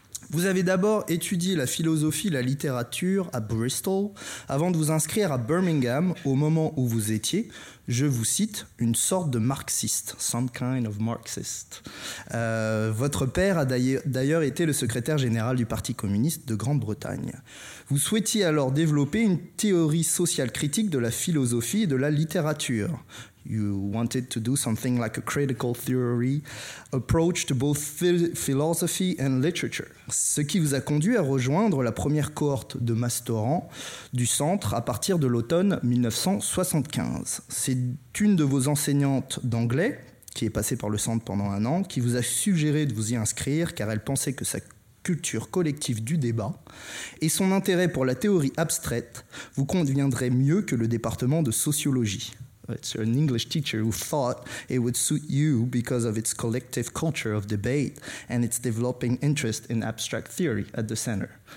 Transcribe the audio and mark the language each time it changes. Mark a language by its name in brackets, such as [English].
[French] Vous avez d'abord étudié la philosophie, la littérature à Bristol avant de vous inscrire à Birmingham au moment où vous étiez, je vous cite, une sorte de marxiste, [English] some kind of Marxist. [French] Votre père a d'ailleurs été le secrétaire général du Parti communiste de Grande-Bretagne. Vous souhaitiez alors développer une théorie sociale critique de la philosophie et de la littérature. [English] You wanted to do something like a critical theory approach to both philosophy and literature. [French] Ce qui vous a conduit à rejoindre la première cohorte de Mastorants du centre à partir de l'automne 1975. C'est une de vos enseignantes d'anglais, qui est passée par le centre pendant un an, qui vous a suggéré de vous y inscrire car elle pensait que sa culture collective du débat et son intérêt pour la théorie abstraite vous conviendraient mieux que le département de sociologie. [English] It's an English teacher who thought it would suit you because of its collective culture of debate and its developing interest in abstract theory at the center.